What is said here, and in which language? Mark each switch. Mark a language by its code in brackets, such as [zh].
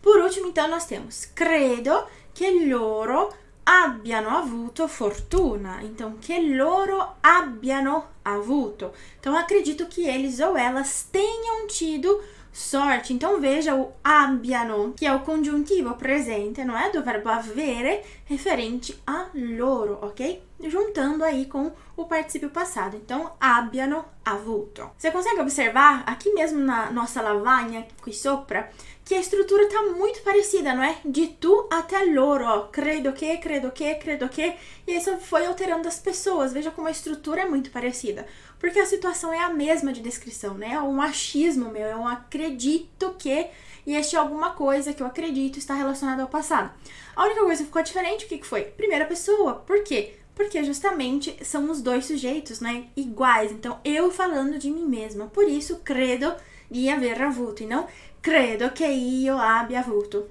[pt] Por último, então, nós temos [it] credo che loro abbiano avuto fortuna. Então, che loro abbiano avuto. [pt] Então, acredito que eles ou elas tenham tido sorte. Então veja o abbiano, que é o congiuntivo presente, não é? Do verbo avere, referente a loro, ok? Juntando aí com o participio passado. Então, [it] abbiano avuto. [pt] Você consegue observar aqui mesmo na nossa lavagna, [it] qui sopra, [pt] que a estrutura tá muito parecida, não é? De tu até loro, ó. [it] Credo che, credo che, credo che. [pt] E isso foi alterando as pessoas. Veja como a estrutura é muito parecida. Porque a situação é a mesma de descrição, né? É um achismo meu, eu acredito que. E este é alguma coisa que eu acredito está relacionada ao passado. A única coisa que ficou diferente, o que foi? Primeira pessoa. Por quê? Porque justamente são os dois sujeitos, né? Iguais. Então, eu falando de mim mesma. Por isso, [it] credo di aver avuto. [pt] E não [it] credo che io abbia avuto.